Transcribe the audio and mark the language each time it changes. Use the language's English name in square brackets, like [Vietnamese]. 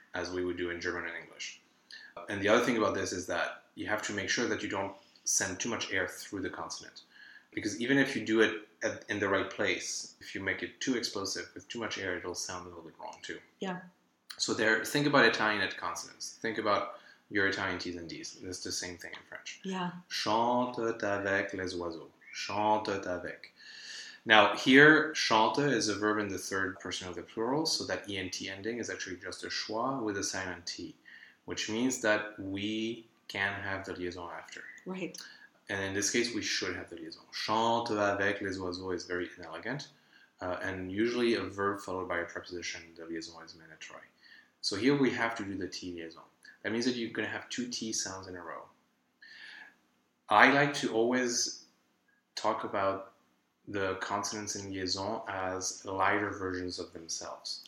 [English] as we would do in German and English. And the other thing about this is that you have to make sure that you don't send too much air through the consonant. Because even if you do it in the right place, if you make it too explosive with too much air, it'll sound a little bit wrong too. Yeah. So there, think about Italian at consonants. Think about your Italian T's and D's. It's the same thing in French. Yeah. [French] Chante avec les oiseaux. Chante avec. [English] Now, here, chante is a verb in the third person of the plural, so that ENT ending is actually just a schwa with a silent T, which means that we can have the liaison after. Right. And in this case, we should have the liaison. Chante avec les oiseaux is very inelegant. And usually a verb followed by a preposition, the liaison is mandatory. So here we have to do the T liaison. That means that you're going to have two T sounds in a row. I like to always talk about the consonants in liaison as lighter versions of themselves.